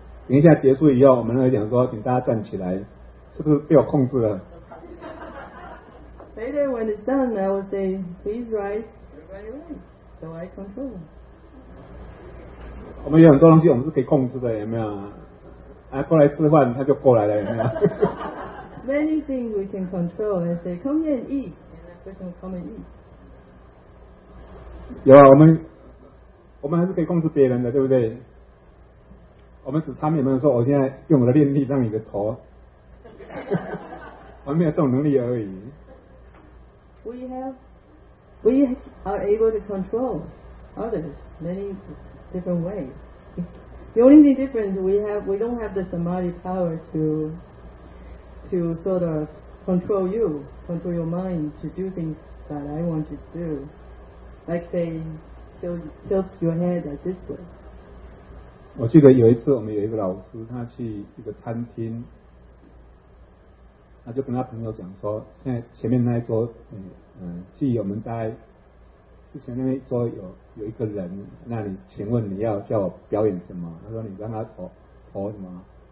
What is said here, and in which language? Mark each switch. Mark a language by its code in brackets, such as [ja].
[zh] 等一下结束以后，我们来讲说，请大家站起来，是不是被我控制了？ [en] Later when it's done, I will say, please rise. Everybody rise. So I control. [zh] 我们有很多东西，我们是可以控制的，有没有？啊，过来吃饭，他就过来了，有没有？ [en] Many things we can control. I say, come here and eat. And that person will come and eat. [zh] 有啊，我们还是可以控制别人的，对不对？我们只差没有说，我现在用我的念力让你的头，我没有这种能力而已。 [en] We are able to control others many different ways. The only thing different we don't have the samadhi power to sort of control your mind to do things that I want you to do. Like say, tilt your head like this way. [zh] 我记得有一次我们有一个老师他去一个餐厅，他就跟他朋友讲说，现在前面那一桌既我们在之前那一桌有一个人，那你请问你要叫我表演什么，他说你让他投什么，